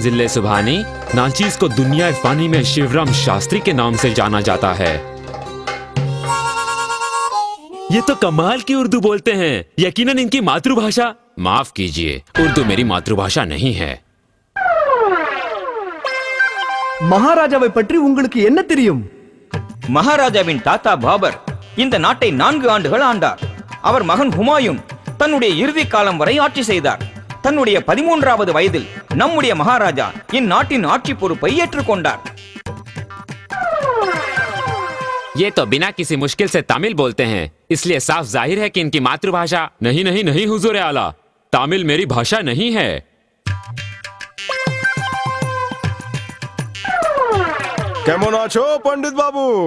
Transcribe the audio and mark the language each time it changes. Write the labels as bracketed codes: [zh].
[hi] जिले सुभानी नाचीज को दुनिया फानी में शिवराम शास्त्री के नाम से जाना जाता है। ये तो कमाल की उर्दू बोलते हैं, यकीनन इनकी मातृभाषा। माफ कीजिए, उर्दू मेरी मातृभाषा नहीं है। महाराजा पटरी [ta] உங்களுக்கு என்ன தெரியும்? மகாராஜாவின் தாத்தா பாபர் இந்த நாட்டை 4 ஆண்டுகள் ஆண்டார். அவர் மகன் ஹுமாயூன் தன்னுடைய இறுதி காலம் வரை ஆட்சி செய்தார். தன்னுடைய 13வது வயதில் நம்முடைய மகாராஜா இந்நாட்டின் ஆட்சி பொறுப்பை ஏற்றுக் கொண்டார். [hi] ये तो बिना किसी मुश्किल से तमिल बोलते हैं, इसलिए साफ जाहिर है कि इनकी मातृभाषा। नहीं नहीं नहीं हुजूर आला, तमिल मेरी भाषा नहीं है। [bn] केमन आछो पंडित बाबू?